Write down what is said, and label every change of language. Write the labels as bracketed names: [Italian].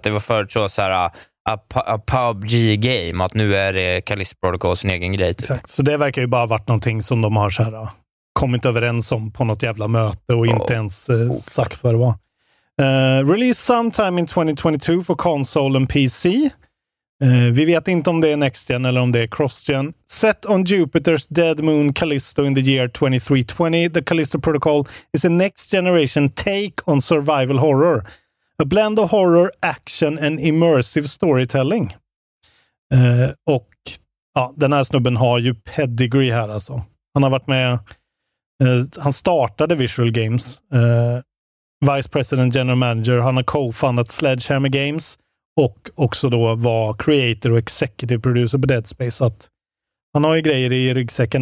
[Swedish] Att det var förut så här a PUBG game, att nu är det Callisto Protocol sin egen grej. Typ. Så det verkar ju bara varit någonting som de har så här kommit överens om på något jävla möte och inte ens sagt vad det var. [English] Release sometime in 2022 for console and PC. [Swedish] Vi vet inte om det är next gen eller om det är cross gen. [English] Set on Jupiter's dead moon Callisto in the year 2320, the Callisto Protocol is a next generation take on survival horror. A blend of horror, action and immersive storytelling. [Swedish] Och ja, den här snubben har ju pedigree här alltså. Han har varit med, han startade Visual Games, Vice President General Manager. Han har co-fundat Sledgehammer Games och också då var creator och executive producer på Dead Space. Så att han har ju grejer i ryggsäcken.